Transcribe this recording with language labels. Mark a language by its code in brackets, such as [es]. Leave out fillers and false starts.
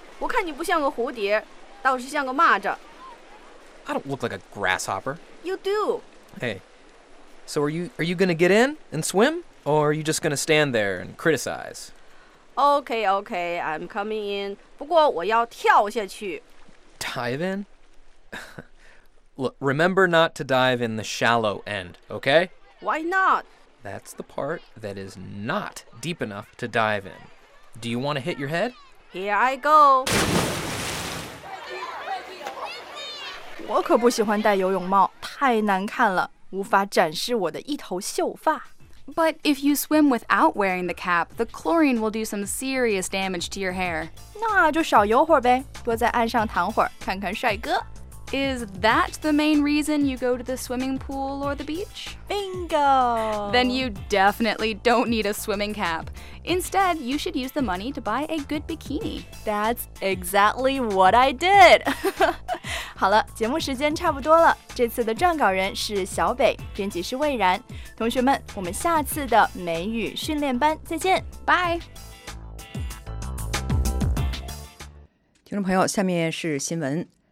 [zh] 我看你不像个蝴蝶，倒是像个蚂蚱。 [en] I don't look like a grasshopper. You do. Hey, so are you going to get in and swim, or are you just going to stand there and criticize? Okay, okay, I'm coming in. [zh] 不过我要跳下去。 [en] Dive in? Look, remember not to dive in the shallow end, okay? Why not? That's the part that is not deep enough to dive in. Do you want to hit your head? Here I go. [zh] 我可不喜欢戴游泳帽，太难看了，无法展示我的一头秀发。 [en] But if you swim without wearing the cap, the chlorine will do some serious damage to your hair. [zh] 那就少游会儿呗，多在岸上躺会儿，看看帅哥。 [en] Is that the main reason you go to the swimming pool or the beach? Bingo! Then you definitely don't need a swimming cap. Instead, you should use the money to buy a good bikini. That's exactly what I did! [zh] 好了，节目时间差不多了，这次的撰稿人是小北，编辑是魏然。同学们，我们下次的美语训练班再见，拜。听众朋友，下面是新闻。